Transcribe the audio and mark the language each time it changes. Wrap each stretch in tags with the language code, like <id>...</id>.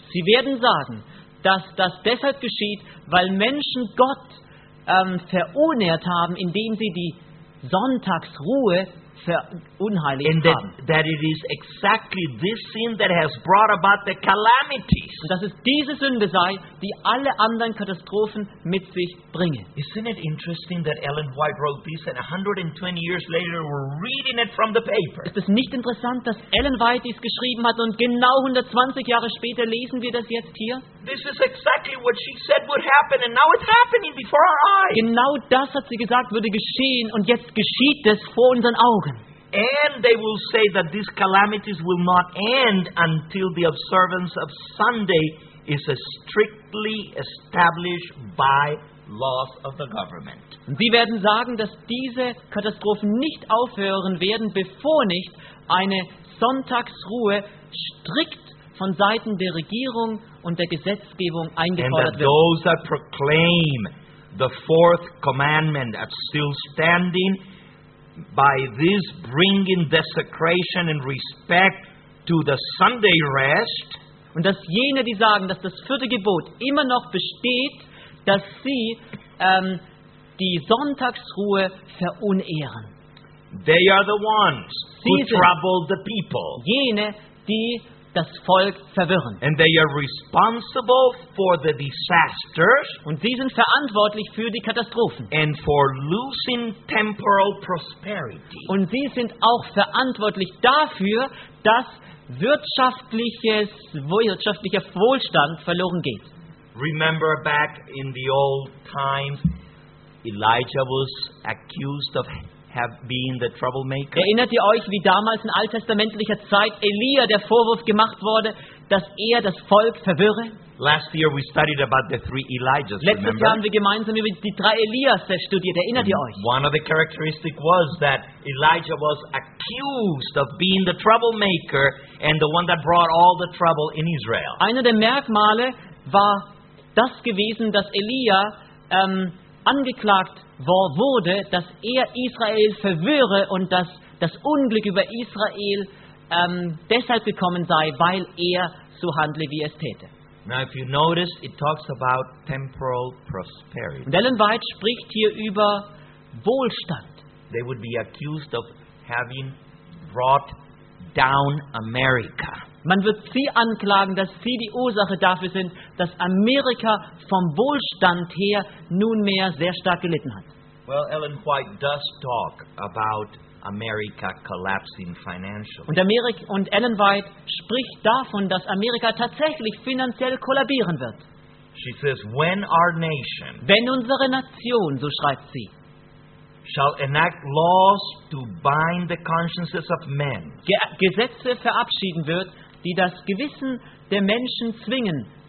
<de>Sie werden sagen, dass das deshalb geschieht, weil Menschen Gott verunehrt haben, indem sie die Sonntagsruhe verunheiligt haben.</de> <en>That it is exactly this sin that has brought about the calamities.</en> <de>Und dass es diese Sünde sei, die alle anderen Katastrophen mit sich bringe.</de> <en>Isn't it interesting that Ellen White wrote this and 120 years later we're reading it from the paper?</en> <de>Ist es nicht interessant, dass Ellen White dies geschrieben hat und genau 120 Jahre später lesen wir das jetzt hier?</de> <en>This is exactly what she said would happen and now it's happening before our eyes.</en> <de>Genau das hat sie gesagt, würde geschehen und jetzt geschieht es vor unseren Augen.</de> <en>And they will say that these calamities will not end until the observance of Sunday is strictly established by laws of the government.</en> <de>Sie werden sagen, dass diese Katastrophen nicht aufhören werden, bevor nicht eine Sonntagsruhe strikt von Seiten der Regierung und der Gesetzgebung eingefordert wird.</de> <en>And that those that proclaim the fourth commandment are still standing, by this bringing desecration and respect to the Sunday rest.</en> <de>Und dass jene, die sagen, dass das vierte Gebot immer noch besteht, dass sie die Sonntagsruhe verunehren.</de> <en>They are the ones who trouble the people.</en> <de>Jene, die das Volk verwirren.</de> <en>And they are responsible for the disasters.</en> <de>Und sie sind verantwortlich für die Katastrophen.</de> <en>And for losing temporal prosperity.</en> <de>Und sie sind auch verantwortlich dafür, dass wirtschaftlicher Wohlstand verloren geht.</de> <en>Remember back in the old times, Elijah was accused of have been the troublemaker.</en> <de>Erinnert ihr euch, wie damals in alttestamentlicher Zeit Elia der Vorwurf gemacht wurde, dass er das Volk verwirre?</de> <en>Last year we studied about the three Elijahs.</en> <de>Letztes</de> <en>remember?</en> <de>Jahr haben wir gemeinsam über die drei Elias studiert. Erinnert ihr euch?</de> <en>One of the characteristics was that Elijah was accused of being the troublemaker and the one that brought all the trouble in Israel.</en> <de>Einer der Merkmale war das gewesen, dass Elia angeklagt wurde, dass er Israel verwirre und dass das Unglück über Israel deshalb gekommen sei, weil er so handle, wie es täte.</de> <en>Now if you notice, it talks about temporal prosperity.</en> <de>Und Ellen White spricht hier über Wohlstand.</de> <en>They would be accused of having brought down America.</en> <de>Man wird sie anklagen, dass sie die Ursache dafür sind, dass Amerika vom Wohlstand her nunmehr sehr stark gelitten hat.</de> <en>Well, Ellen White does talk about America collapsing financially.</en> <de>Und Ellen White spricht davon, dass Amerika tatsächlich finanziell kollabieren wird.</de> <en>She says, when our nation,</en> <de>wenn unsere Nation, so schreibt sie,</de> <en>shall enact laws to bind the consciences of men,</en> <de>Gesetze verabschieden wird, die das Gewissen der Menschen zwingen,</de>